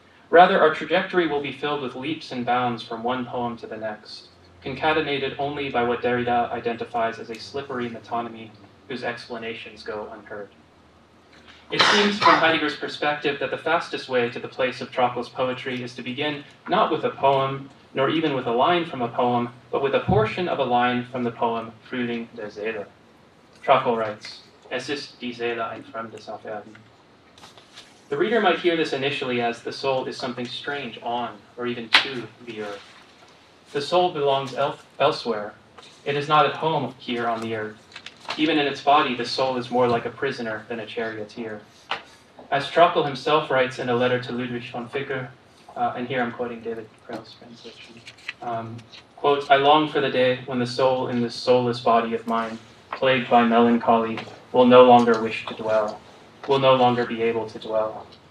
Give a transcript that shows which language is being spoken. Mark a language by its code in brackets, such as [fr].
[en] Rather, our trajectory will be filled with leaps and bounds from one poem to the next, concatenated only by what Derrida identifies as a slippery metonymy whose explanations go unheard. It seems from Heidegger's perspective that the fastest way to the place of Trockel's poetry is to begin not with a poem, nor even with a line from a poem, but with a portion of a line from the poem Frühling der Seele. Trockel writes, [de] Es ist die Seele ein fremdes Aufwerden. [en] The reader might hear this initially as the soul is something strange on or even to the earth. The soul belongs elsewhere. It is not at home here on the earth. Even in its body, the soul is more like a prisoner than a charioteer. As Trockel himself writes in a letter to Ludwig von Ficker, and here I'm quoting David Crail's translation, quote, I long for the day when the soul in this soulless body of mine, plagued by melancholy, will no longer wish to dwell, will no longer be able to dwell.